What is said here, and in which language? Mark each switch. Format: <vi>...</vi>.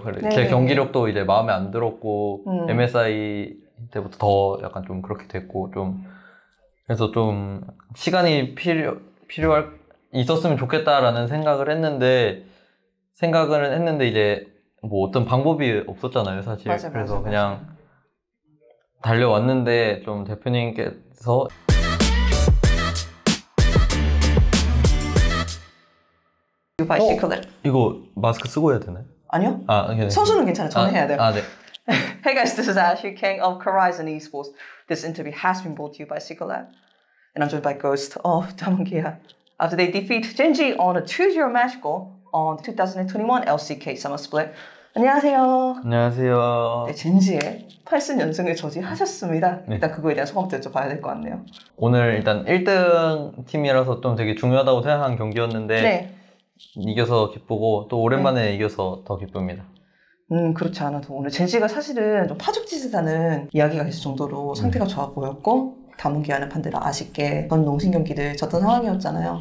<ko>제 경기력도 이제 마음에 안 들었고, MSI 때부터 더 약간 좀 그렇게 됐고, 좀, 그래서 좀, 시간이 있었으면 좋겠다라는 생각을 했는데, 이제, 뭐 어떤 방법이 없었잖아요, 사실. 그래서 맞아. 그냥, 달려왔는데, 좀 대표님께서, 이거 마스크 쓰고 해야 되나요? 아니요. 아, 괜찮아요. 선수는 괜찮아요. 저는 해야 돼요. 아, 네.</ko> <en>Hey guys, this is Ash, you king of Horizon Esports. This interview has been brought to you by Secret Lab. And I'm joined by Ghost of Damwon Gia. After they defeat Gen.G on a 2-0 match goal on the 2021 LCK Summer Split.</en> <ko>안녕하세요. 안녕하세요. 네, Gen.G의 8승 연승을 저지하셨습니다. 일단 그거에 대한 소감도 여쭤봐야 될것 같네요. 오늘 일단 1등 팀이라서 좀 되게 중요하다고 생각한 경기였는데, 네. 이겨서 기쁘고, 또 오랜만에 이겨서 더 기쁩니다. 그렇지 않아도 오늘 젠지가 사실은 좀 파죽지세다는 이야기가 있을 정도로 상태가 좋아 보였고, 다문기와는 반대로 아쉽게 전 농심 경기를 졌던 상황이었잖아요.</ko>